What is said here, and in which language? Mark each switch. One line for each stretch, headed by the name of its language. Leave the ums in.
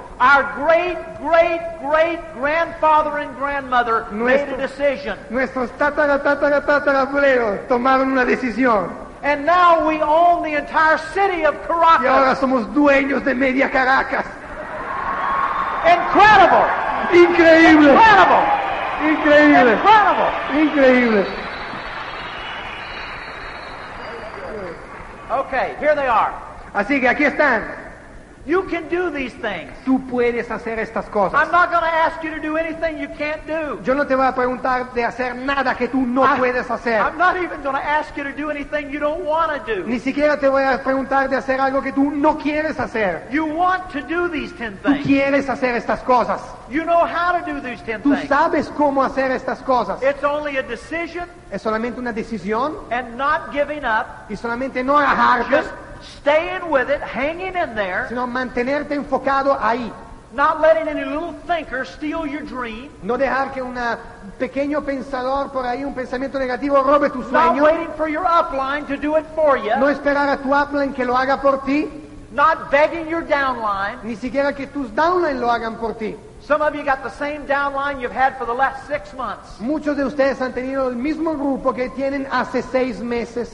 English: Our great great great grandfather and grandmother made a decision.
Spanish: Nuestros tata tata tata tataratataratatarabuelos tomaron una decisión.
English: And now we own the entire city of Caracas.
Spanish: Y ahora somos dueños de media Caracas.
English: Incredible. Increíble. Incredible. Increíble. Incredible. Increíble. Okay, here they are.
Spanish: Así que aquí están.
English: You can do these things.
Spanish: Tú puedes hacer estas cosas.
English: I'm not going to ask you to do anything you can't do.
Spanish: Yo no te voy a preguntar de hacer nada que tú no I, puedes hacer.
English: I'm not even going to ask you to do anything you don't want to do.
Spanish: Ni siquiera te voy a preguntar de hacer algo que tú no quieres hacer.
English: You want to do these ten things.
Spanish: Tú quieres hacer estas cosas.
English: You know how to do these ten things.
Spanish: Tú sabes cómo hacer estas cosas.
English: It's only a decision.
Spanish: Es solamente una decisión.
English: And not giving up.
Spanish: Y solamente no dejarte.
English: Just staying with it, hanging in there.
Spanish: Sino mantenerte enfocado ahí.
English: Not letting any little thinker steal your dream.
Spanish: No dejar que un pequeño pensador por ahí un pensamiento negativo robe tu sueño.
English: Not waiting for your upline to do it for you.
Spanish: No esperar a tu upline que lo haga por ti.
English: Not begging your downline.
Spanish: Ni siquiera que tus downline lo hagan por ti.
English: Some of you got the same downline you've had for the last six months.
Spanish: Muchos de ustedes han tenido el mismo grupo que tienen hace seis meses.